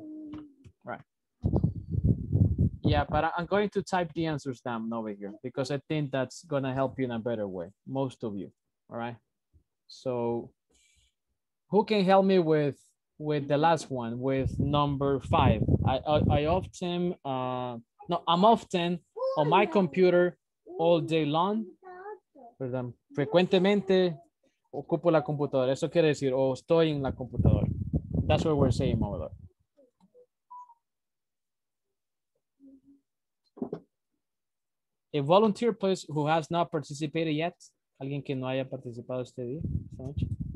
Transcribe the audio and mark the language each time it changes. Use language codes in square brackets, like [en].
[en] All right. Yeah, but I'm going to type the answers down over here because I think that's going to help you in a better way, most of you, all right? So who can help me with the last one, with number five? I'm often on my computer all day long. [es] Perdón. Frecuentemente ocupo la computadora. Eso quiere decir, o estoy en la computadora. [en] That's what we're saying over there. A volunteer, please, who has not participated yet. [es] Alguien que no haya participado este día, esta noche.